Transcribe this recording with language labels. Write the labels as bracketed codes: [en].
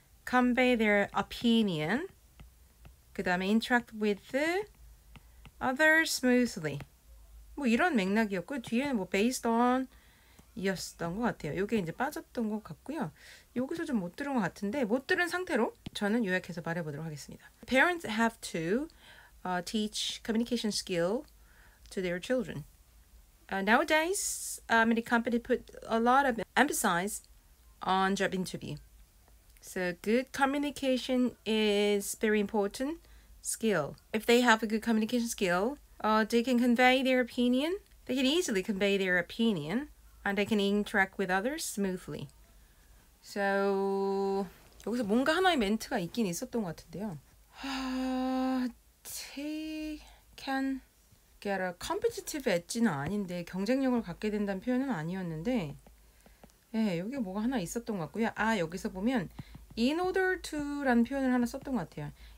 [en] Convey their opinion. [ko] 그 다음에 [en] interact with others smoothly. [ko] 뭐 이런 맥락이었고요. 뒤에는 뭐 based on 이었던 것 같아요. 이게 이제 빠졌던 것 같고요. 여기서 좀 못 들은 것 같은데 못 들은 상태로 저는 요약해서 말해보도록 하겠습니다. [en] Parents have to teach communication skill to their children. Nowadays, many companies put a lot of emphasis on job interview. So good communication is very important skill. If they have a good communication skill, they can convey their opinion. They can easily convey their opinion and they can interact with others smoothly. [ko] So 여기서 뭔가 하나의 멘트가 있긴 있었던 것 같은데요. [en] They can get a competitive edge [ko] 는 아닌데 경쟁력을 갖게 된다는 표현은 아니었는데 예, 여기 뭐가 하나 있었던 것 같고요. 아, 여기서 보면 in order to라는 표현을 하나 썼던 것 같아요.